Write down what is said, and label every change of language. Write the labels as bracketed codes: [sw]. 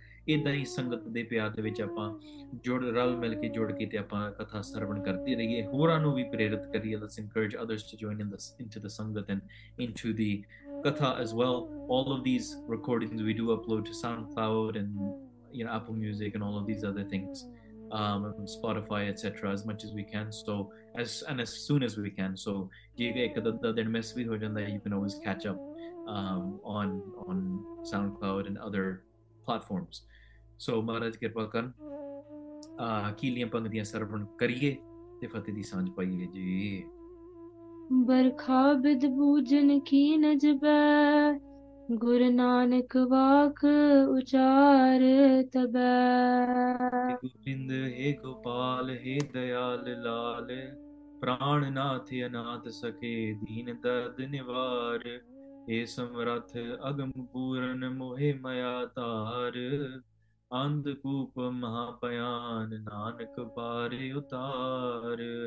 [pa] ਇੱਦਾਂ ਹੀ ਸੰਗਤ ਦੇ ਪਿਆਰ ਦੇ ਵਿੱਚ ਆਪਾਂ ਰਲ ਮਿਲ ਕੇ ਜੁੜ ਕੇ ਤੇ ਆਪਾਂ ਕਥਾ ਸਰਵਣ ਕਰਦੇ ਰਹੀਏ, ਹੋਰਾਂ ਨੂੰ ਵੀ ਪ੍ਰੇਰਿਤ ਕਰੀਏ। [en] Let's encourage others to join in this into the sangat and into the katha as well. All of these recordings we do upload to SoundCloud and you know Apple music and all of these other things, Spotify, etc., as much as we can. So, as soon as we can. So, you can always catch up on SoundCloud and other platforms. [pa] So, Maharaj Kirpa Kar, Keeliyan Pangdiyan Sarvan Kariye, Te Fateh Di Sanj Paiye Ji. Barkha Bid Bhujan Ki Najbae, ਗੁਰ ਨਾਨਕ ਵਾਕ ਉਚਾਰ ਤਬੈ। ਗੋਬਿੰਦ ਹੇ ਗੋਪਾਲ ਹੇ ਦਇਆਲ ਲਾਲ, ਪ੍ਰਾਣ ਨਾਥ ਅਨਾਥ ਸਕੇ ਦੀਨ ਦਰਦ ਨਿਵਾਰ, ਹੇ ਸਮਰੱਥ ਅਗਮ ਪੂਰਨ ਮੋਹਿ ਮਾਇਆ ਤਾਰ, ਅੰਧ ਕੂਪ ਮਹਾਪਿਆਨ ਨਾਨਕ ਪਾਰੇ ਉਤਾਰ।